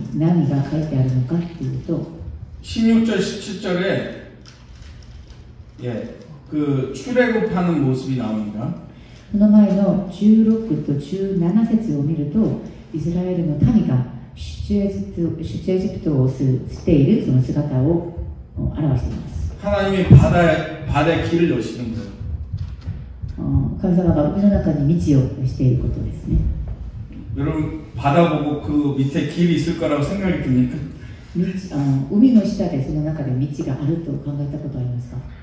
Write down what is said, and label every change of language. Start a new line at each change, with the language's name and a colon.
Japanese: 今日私たちが読んだそのイザヤ書の43の19節の御言葉の前に何が書いてあるのかっていうと
Korean: 16절 17절에 예, 그 출애굽하는 모습이 나옵니다.
Japanese: その前の16と17節を見ると イスラエルの民が出エジプトをしているその姿を表しています.
Korean: 하나님이 바다에 길을 여시는 거예요.
Japanese: 神様が海の中に道をしていることですね。
Korean: 여러분 바다 보고 그 밑에 길이 있을 거라고 생각이 듭니까?
Japanese: 海の下でその中で道があると考えたことありますか?